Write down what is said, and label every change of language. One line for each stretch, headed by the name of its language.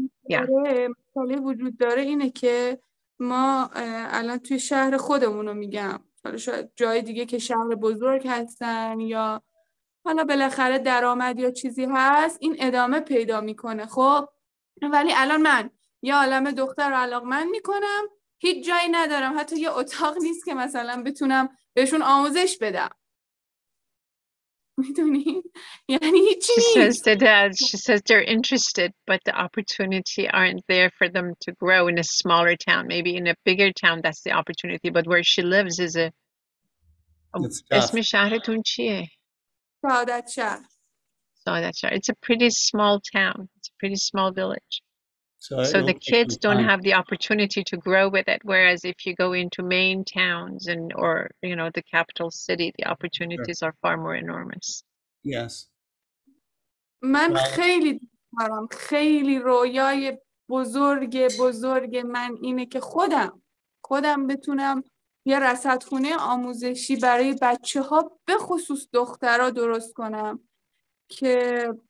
Persian: مسئله وجود داره اینه که ما الان توی شهر خودمونو میگم، حالا شاید جای دیگه که شهر بزرگ هستن یا حالا بالاخره درآمد یا چیزی هست این ادامه پیدا میکنه، خب ولی الان من یه عالم دختر رو علاقمند میکنم، هیچ جایی ندارم، حتی یه اتاق نیست که مثلا بتونم بهشون آموزش بدم، میدونی؟ یعنی هیچی نیست.
English: She says they're interested but the opportunity aren't there for them to grow in a smaller town. Maybe in a bigger town that's the opportunity, but where she lives is
Persian: اسم شهرتون چیه؟ سعادت شهر.
English: It's a pretty small town. It's a pretty small village. So the kids don't have the opportunity to grow with it, whereas if you go into main towns and or the capital city, the opportunities sure. are far more enormous. Yes.
Persian: من خیلی دارم، خیلی رویای بزرگ بزرگ من اینه که خودم بتونم یه رصدخونه آموزشی برای بچه ها به خصوص دخترها درست کنم که